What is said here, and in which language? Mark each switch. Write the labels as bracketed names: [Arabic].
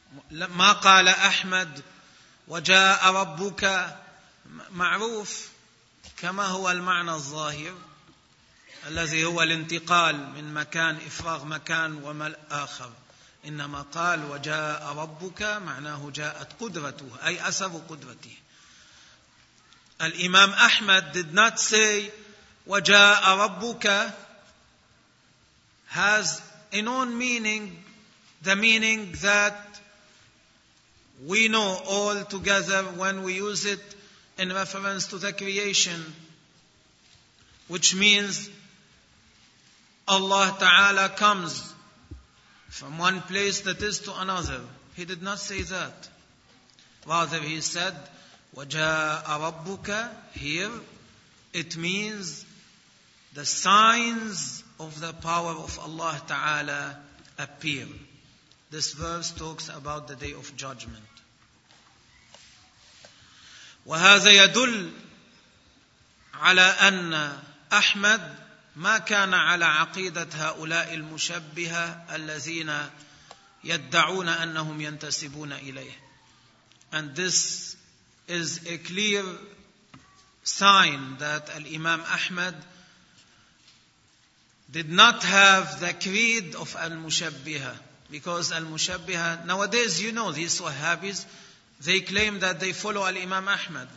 [Arabic] ما قال أحمد وجاء ربك معروف كما هو المعنى الظاهر الذي هو الانتقال من مكان إفراغ مكان ومل آخر, إنما قال وجاء ربك معناه جاءت قدرته, أي أسر قدرته. [English] الإمام أحمد did not say [Arabic] وجاء ربك [English] has in own meaning the meaning that we know all together when we use it in reference to the creation, which means Allah Ta'ala comes from one place that is to another. He did not say that. Rather, he said, [Arabic] وَجَاءَ رَبُّكَ, [English] here, it means the signs of the power of Allah Ta'ala appear. This verse talks about the Day of Judgment. [Arabic] وهذا يدل على أن أحمد ما كان على عقيدة هؤلاء المشبهة الذين يدعون أنهم ينتسبون إليه. [English] And this is a clear sign that Imam Ahmad did not have the creed of المشبهة, because المشبهة nowadays, you know, these Wahhabis, they claim that they follow Al-Imam Ahmad.